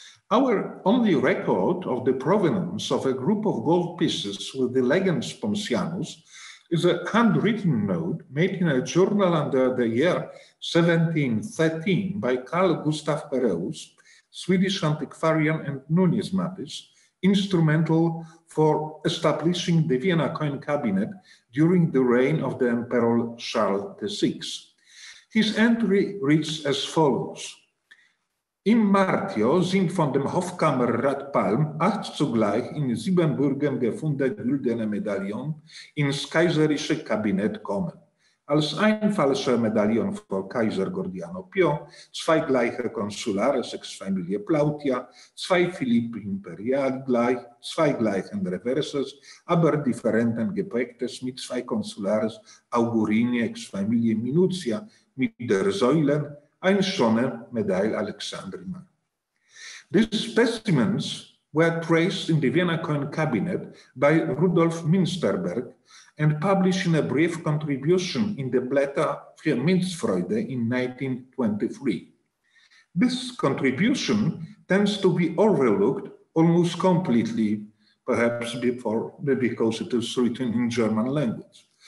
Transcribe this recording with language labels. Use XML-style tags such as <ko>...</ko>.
<en>Our only record of the provenance of a group of gold pieces with the legend Sponsianus is a handwritten note made in a journal under the year 1713 by Carl Gustav Pereus, Swedish antiquarian and numismatist, instrumental for establishing the Vienna coin cabinet during the reign of the Emperor Charles VI. His entry reads as follows.</en> <de>Im Martio sind von dem Hofkammer Radpalm acht zugleich in Siebenbürgen gefunden güldene Medaillon ins kaiserische Kabinett kommen. Als ein falscher Medaillon vor Kaiser Gordiano Pio, zwei gleiche Consulare sechs Familie Plautia, zwei Philipp Imperial gleich, zwei gleichen Reverses, aber differenten Gepäcktes mit zwei Consulares Augurini ex Familie Minutia mit der Säulen, ein schöner Medaille Aleksandrina.</de> <en>These specimens were traced in the Vienna coin cabinet by Rudolf Münsterberg and published in a brief contribution in the Blätter für Münzfreude in 1923. This contribution tends to be overlooked almost completely, perhaps because it is written in German language.</en>